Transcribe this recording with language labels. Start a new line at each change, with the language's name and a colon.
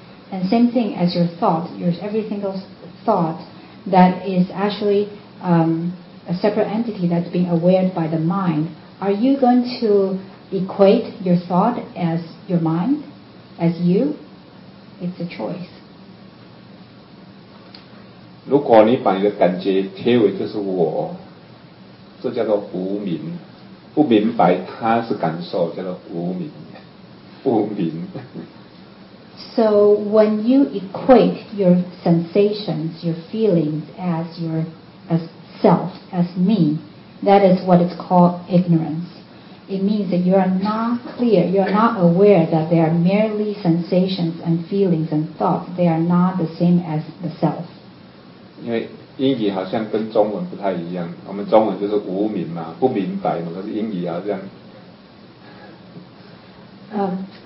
English: And same thing as your thought, your every single thought that is actually a separate entity that's being aware by the mind. Are you going to equate your thought as your mind, as you? It's a choice.
Chinese: 如果你把你的感觉贴为这是我，这叫做无明。不明白他是感受叫做无明，无明。
English: So when you equate your sensations, your feelings as your as self, as me, that is what it's called ignorance. It means that you are not clear, you are not aware that they are merely sensations and feelings and thoughts. They are not the same as the self.
Chinese: 英语好像跟中文不太一样，我们中文就是无明嘛，不明白嘛，可是英语好像。